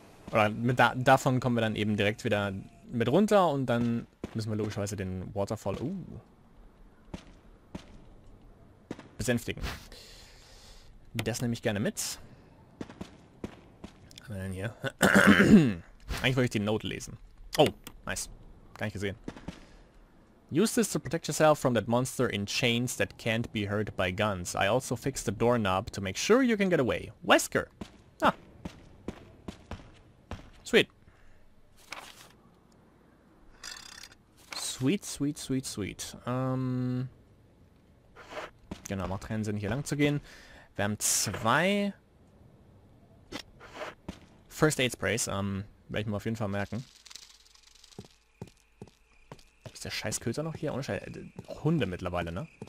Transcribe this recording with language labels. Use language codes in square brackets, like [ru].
[de] Oder mit davon kommen wir dann eben direkt wieder mit runter und dann müssen wir logischerweise den Waterfall besänftigen. Das nehme ich gerne mit. Was haben wir denn hier? Eigentlich wollte ich die Note lesen. [en] Oh, nice. [de] Gar nicht gesehen. [en] Use this to protect yourself from that monster in chains that can't be hurt by guns. I also fixed the doorknob to make sure you can get away. Wesker! Ah. Sweet. Sweet, sweet, sweet, sweet. [de] Genau, macht keinen Sinn, hier lang zu gehen. Wir haben zwei First Aid Sprays. Werde ich mir auf jeden Fall merken. Ist der Scheißköter noch hier? Ohne Scheiß. Hunde mittlerweile, ne?